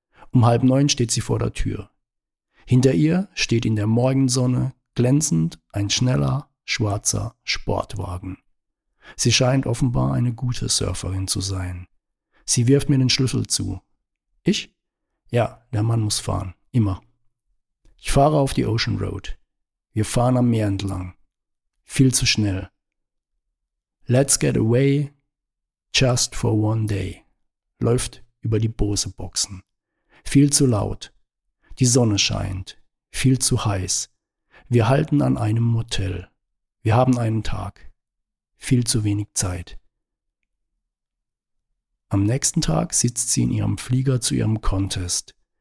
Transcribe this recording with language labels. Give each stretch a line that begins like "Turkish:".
German: Um 8:30 steht sie vor der Tür. Hinter ihr steht in der Morgensonne glänzend ein schneller, schwarzer Sportwagen. Sie scheint offenbar eine gute Surferin zu sein. Sie wirft mir den Schlüssel zu. Ich? Ja, der Mann muss fahren. Immer. Ich fahre auf die Ocean Road. Wir fahren am Meer entlang. Viel zu schnell.
English: Let's get away just for one day.
German: Läuft über die Boseboxen. Viel zu laut. Die Sonne scheint. Viel zu heiß. Wir halten an einem Motel. Wir haben einen Tag. Viel zu wenig Zeit. Am nächsten Tag sitzt sie in ihrem Flieger zu ihrem Contest.